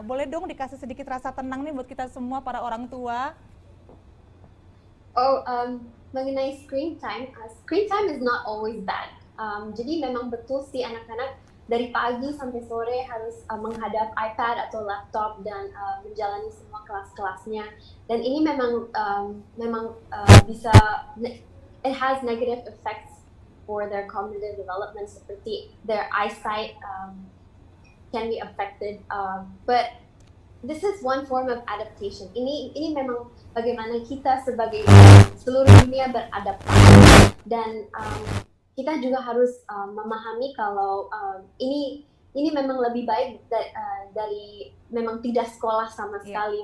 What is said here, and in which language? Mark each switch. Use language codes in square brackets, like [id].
[id] Boleh dong dikasih sedikit rasa tenang nih buat kita semua para orang tua. Mengenai [en] screen time is not always bad. [id] Jadi memang betul sih anak-anak dari pagi sampai sore harus menghadap iPad atau laptop dan menjalani semua kelas-kelasnya. Dan ini memang bisa [en] it has negative effects for their cognitive development, [id] seperti [en] their eyesight can be affected. But this is one form of adaptation. [id] Ini memang bagaimana kita sebagai seluruh dunia beradaptasi dan kita juga harus memahami kalau ini memang lebih baik dari memang tidak sekolah sama sekali.